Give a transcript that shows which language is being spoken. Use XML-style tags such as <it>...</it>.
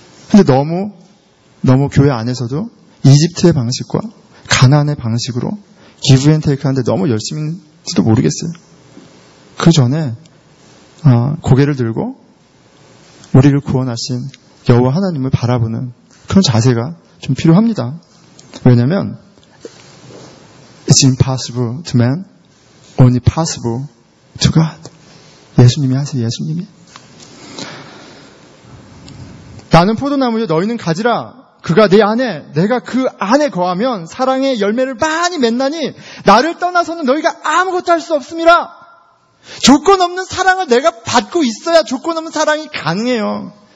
<ko>근데 너무 교회 안에서도 이집트의 방식과 가나안의 방식으로</ko> <en>give and take</en> <ko>하는데 너무 열심히인지도 모르겠어요. 그 전에 고개를 들고 우리를 구원하신 여호와 하나님을 바라보는 그런 자세가 좀 필요합니다. 왜냐하면</ko> <en>It's impossible to man, only possible to God.</en> <ko>예수님이 하세요, 예수님이. 나는 포도나무요, 너희는 가지라. 그가 내 안에, 내가 그 안에 거하면 사랑의 열매를 많이 맺나니 나를 떠나서는 너희가 아무것도 할 수 없습니다. 조건 없는 사랑을 내가 받고 있어야 조건 없는 사랑이 가능해요.</ko>